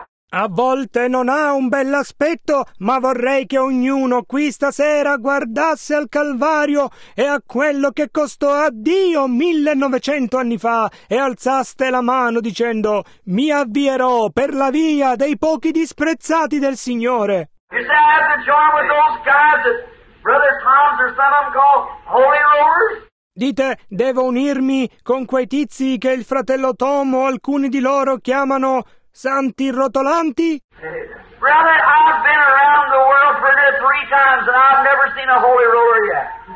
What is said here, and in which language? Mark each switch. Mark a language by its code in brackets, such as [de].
[it] A volte non ha un bell'aspetto, ma vorrei che ognuno qui stasera guardasse al Calvario e a quello che costò a Dio 1900 anni fa e alzaste la mano dicendo, mi avvierò per la via dei pochi disprezzati del Signore. [en] You say, I have to join with those guys that Brother Tom's or some of them call holy rollers? [it] Dite, devo unirmi con quei tizi che il fratello Tom o alcuni di loro chiamano Santi rotolanti? [en] Brother, I've been around the world for this three times and I've never seen a holy roller yet.